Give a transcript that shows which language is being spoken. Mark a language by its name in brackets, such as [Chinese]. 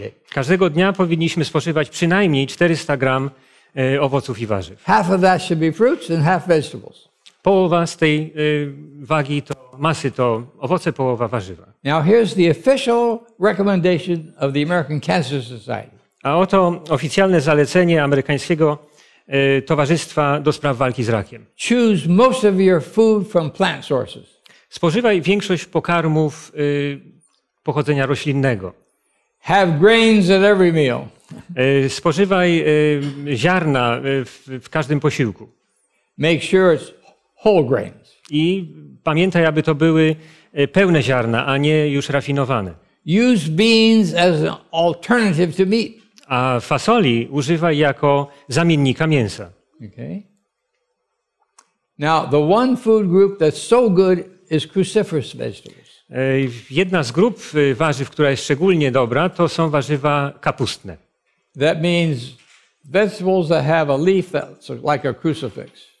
[Polish] Każdego dnia powinniśmy spożywać przynajmniej 400 gram owoców i warzyw. [English] Half of that should be fruits and half vegetables. [Polish] Połowa z tej wagi to masy to owoce, połowa warzywa. [English] Now here's the official recommendation of the American Cancer Society. [Polish] A oto oficjalne zalecenie amerykańskiego towarzystwa do spraw walki z rakiem. [English] Choose most of your food from plant sources. [Polish] Spożywaj większość pokarmów pochodzenia roślinnego. [English] Have grains at every meal. [Polish] Spożywaj ziarna w każdym posiłku. [English] Make sure it's whole grains. [Polish] I pamiętaj, aby to były pełne ziarna, a nie już rafinowane. [English] Use beans as an alternative to meat. [Polish] A fasoli używaj jako zamiennika mięsa. [English] Okay. Now the one food group that's so good is cruciferous vegetables. [Polish] Jedna z grup warzyw, która jest szczególnie dobra, to są warzywa kapustne. [English] That means vegetables that have a leaf that's like a crucifix.